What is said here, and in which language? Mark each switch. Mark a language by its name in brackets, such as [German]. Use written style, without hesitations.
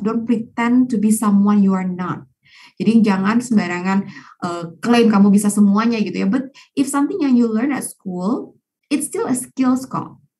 [English] Don't pretend to be someone you are not. [Indonesian] Jadi jangan sembarangan claim kamu bisa semuanya gitu ya. [English] But if something yang you learn at school, it's still a skills kok.